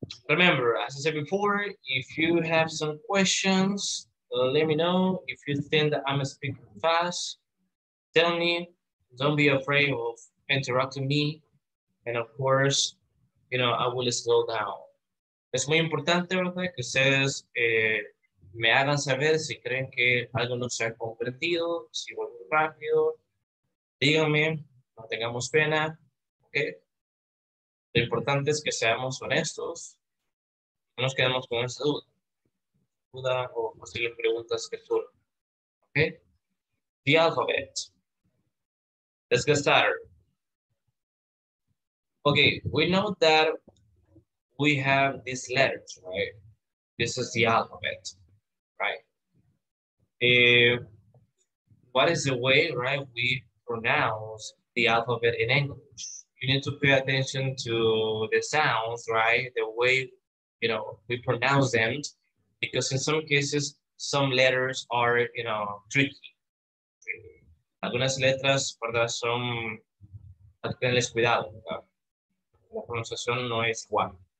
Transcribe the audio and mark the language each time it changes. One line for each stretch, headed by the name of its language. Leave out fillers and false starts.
English: Remember, as I said before, if you have some questions, let me know. If you think that I'm speaking fast, tell me. Don't be afraid of interrupting me. And of course, you know, I will slow down.
Spanish: Es muy importante, ¿verdad?, que ustedes me hagan saber si creen que algo no se ha comprendido, si voy muy rápido. Díganme, no tengamos pena, ¿ok? Lo importante es que seamos honestos. No nos quedamos con esa duda o posibles preguntas que surgen.
English: ¿Ok? The alphabet. Let's get started. Okay, we know that we have these letters, right? This is the alphabet, right? What is the way, right, we pronounce the alphabet in English? You need to pay attention to the sounds, right? The way, you know, we pronounce them, because in some cases, some letters are, you know, tricky.
Spanish: Algunas letras, ¿verdad?, son, hay que tenerles cuidado, ¿verdad? La pronunciación no es igual.